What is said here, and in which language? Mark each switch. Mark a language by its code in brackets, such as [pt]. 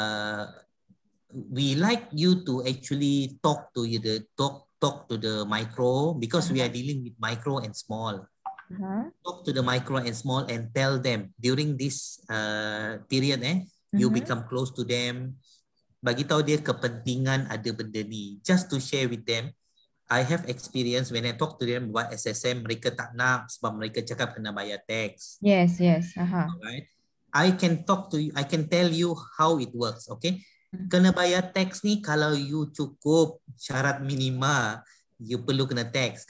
[en] Okay. We like you to actually talk to you, the talk to the micro, because mm-hmm. we are dealing with micro and small. Uh-huh. Talk to the micro and small and tell them during this period, eh, mm-hmm. you become close to them. [ms] Bagi tahu dia kepentingan ada benda ni. [en] Just to share with them, I have experience when I talk to them about SSM, [ms] mereka tak nak sebab mereka cakap kena bayar tax. [en] Yes, yes. Uh-huh. Alright. I can talk to you, I can tell you how it works, okay? [ms] Kena bayar tax ni kalau you cukup syarat minima, you perlu kena tax.